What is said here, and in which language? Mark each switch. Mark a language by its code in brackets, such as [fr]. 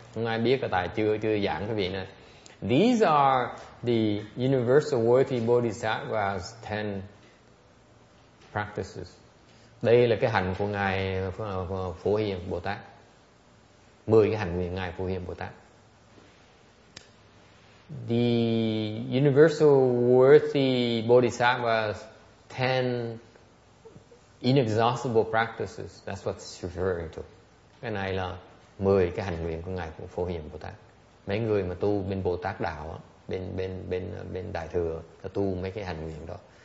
[vi] Không ai biết, tại chưa giảng quý vị nữa. [en] These are the universal worthy bodhisattva's 10 practices. [vi] Đây là cái hạnh của Ngài Phổ Hiền Bồ Tát. 10 cái hạnh của Ngài Phổ Hiền Bồ Tát. [en] The universal worthy bodhisattva's 10 inexhaustible practices, that's what it's referring to. [vi] Cái này là 10 cái hạnh nguyện của Ngài Phổ Hiền Bồ Tát. Mấy người mà tu bên Bồ Tát Đạo, bên Đại Thừa, là tu mấy cái hạnh nguyện đó.